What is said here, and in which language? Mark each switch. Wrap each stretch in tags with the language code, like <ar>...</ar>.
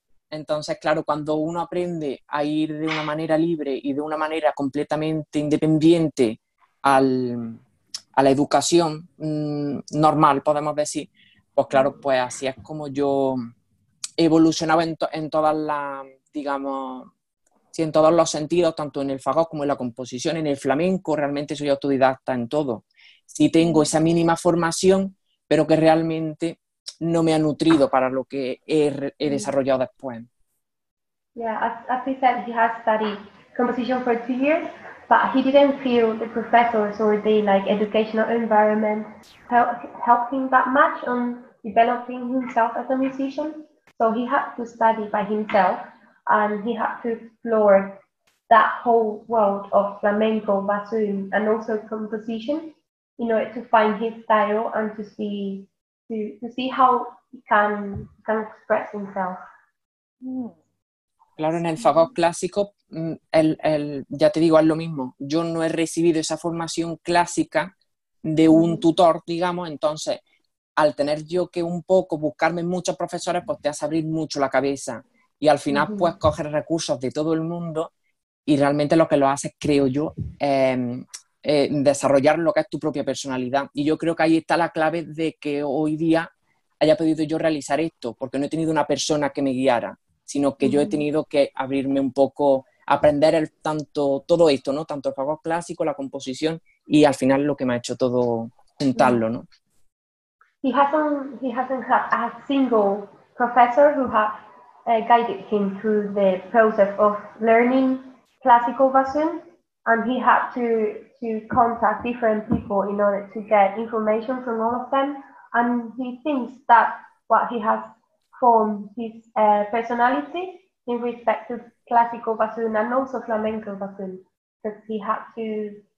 <es>Entonces, claro, cuando uno aprende a ir de una manera libre y de una manera completamente independiente a la educación normal, podemos decir, pues claro, pues así es como yo evolucionaba en todas las, digamos, en todos los sentidos, tanto en el fagot como en la composición, en el flamenco, realmente soy autodidacta en todo. Sí tengo esa mínima formación, pero que realmente no me ha nutrido para lo que he desarrollado después.</es> <en>Yeah, as he said, he has studied composition for 2 years, but he didn't feel the professors or the like educational environment helped him that much on developing himself as a musician. So he had to study by himself, and he had to explore that whole world of flamenco, bassoon, and also composition in order to find his style and to see how he can express himself.</en> <es>Claro, en el fagot clásico, ya te digo, es lo mismo. Yo no he recibido esa formación clásica de un tutor, digamos, entonces al tener yo que un poco buscarme muchos profesores, pues te hace abrir mucho la cabeza. Y al final, pues, coges recursos de todo el mundo y realmente lo que lo haces, creo yo, desarrollar lo que es tu propia personalidad. Y yo creo que ahí está la clave de que hoy día haya podido yo realizar esto, porque no he tenido una persona que me guiara, sino que yo he tenido que abrirme un poco, aprender tanto todo esto, ¿no? Tanto el fagot clásico, la composición y al final lo que me ha hecho todo juntarlo, ¿no?</es> <en>He hasn't had a single professor who have guided him through the process of learning classical bassoon, and he had to contact different people in order to get information from all of them, and he thinks that what he has formed his personality in respect to classical bassoon and also flamenco bassoon, because he had to,</en>